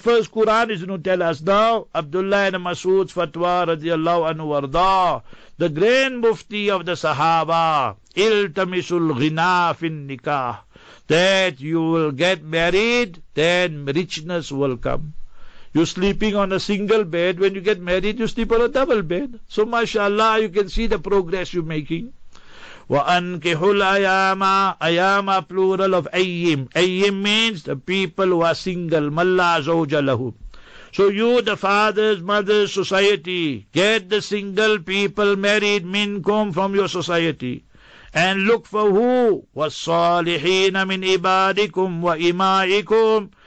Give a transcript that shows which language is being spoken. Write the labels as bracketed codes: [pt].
[en] First Quran is going to tell us now, Abdullah ibn Mas'ud's fatwa radiallahu anhu warda, the grand mufti of the Sahaba, iltamisul ghina fin nikah, that you will get married, then richness will come. You're sleeping on a single bed, when you get married, you sleep on a double bed. So mashallah, you can see the progress you're making. [ar] وَأَنْكِحُ الْأَيَامَ أَيَامَ [en] plural of [ar] أَيِّم. [en] أَيِّم means the people who are single. [ar] مَلَّا زَوْجَ لَهُمْ. [en] So you, the fathers, mothers, society, get the single people married, minkum, from your society. And look for who? [ar] وَالصَّالِحِينَ مِنْ إِبَادِكُمْ وَإِمَائِكُمْ.